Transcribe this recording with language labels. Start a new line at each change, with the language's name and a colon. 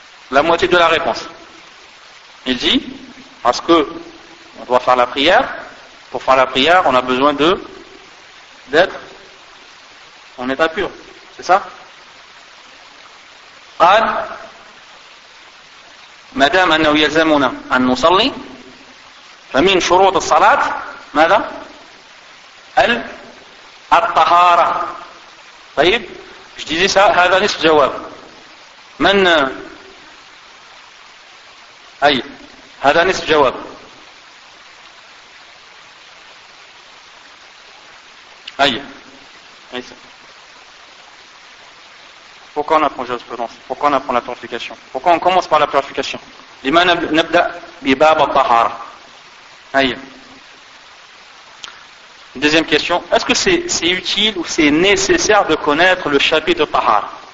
French: La moitié de la réponse. Il dit, parce que on doit faire la prière, pour faire la prière, on a besoin d'être en état pur. C'est ça?
Arabic: قال مادام أنه يلزمنا أن نصلي فمن شروط الصلاة ماذا؟ الطهارة. طيب ايش دي ذا هذا نفس الجواب من اي هذا نفس الجواب اي اي
French: pourquoi on apprend jurisprudence, pourquoi on apprend la purification, pourquoi on commence par la purification,
Arabic: لماذا نبدا بباب الطهارة.
French: اي deuxième question, est-ce que c'est utile ou c'est nécessaire de connaître le chapitre Tahar?